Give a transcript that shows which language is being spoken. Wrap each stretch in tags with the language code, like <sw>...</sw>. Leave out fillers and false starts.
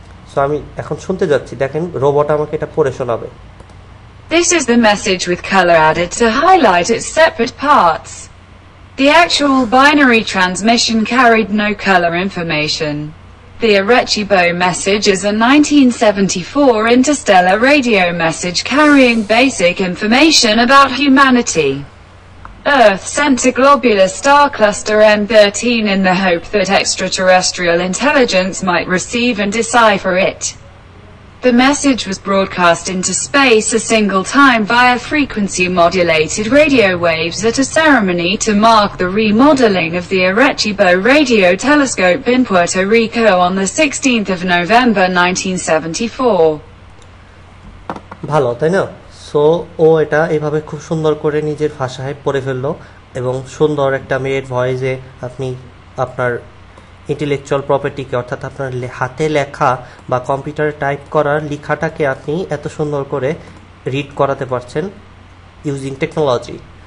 <bn>So আমি এখন শুনতে যাচ্ছি, দেখেন রোবট আমাকে এটা পড়ে শোনাবে।</bn> <en>This is the message with color added to highlight its separate parts. The actual binary transmission carried no color information. The Arecibo message is a 1974 interstellar radio message carrying basic information about humanity. Earth sent a globular star cluster M13 in the hope that extraterrestrial intelligence might receive and decipher it. The message was broadcast into space a single time via frequency-modulated radio waves at a ceremony to mark the remodeling of the Arecibo radio telescope in Puerto Rico on the 16th of November 1974.</en> <bn>ভালো, তাই না? So ও এটা এভাবে খুব সুন্দর করে নিজের ভাষায় পড়ে ফেললো, এবং সুন্দর একটা মেয়ের ভয়েসে আপনি আপনার ইন্টেলেকচুয়াল প্রপার্টিকে, অর্থাৎ আপনার হাতে লেখা বা কম্পিউটারে টাইপ করার লেখাটাকে আপনি এত সুন্দর করে রিড করাতে পারছেন</bn> <en>Using technology.</en>